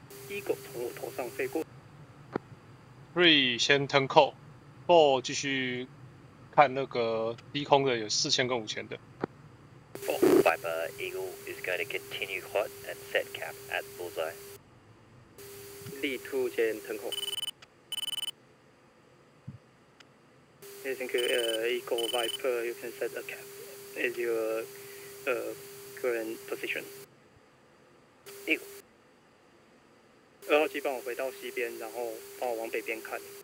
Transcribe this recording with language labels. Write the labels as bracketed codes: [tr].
[zh] Eagle 从我头上飞过。 Three 先 [en] turn call, [zh] Four 继续看那个低空的有4000跟5000的。 [en] Four Viper Eagle is going to continue hot and set cap at bullseye. Lead two 先 turn call. I think Eagle Viper, you can set a cap as your current position. Eagle. [zh] 二号机帮我回到西边，然后帮我往北边看。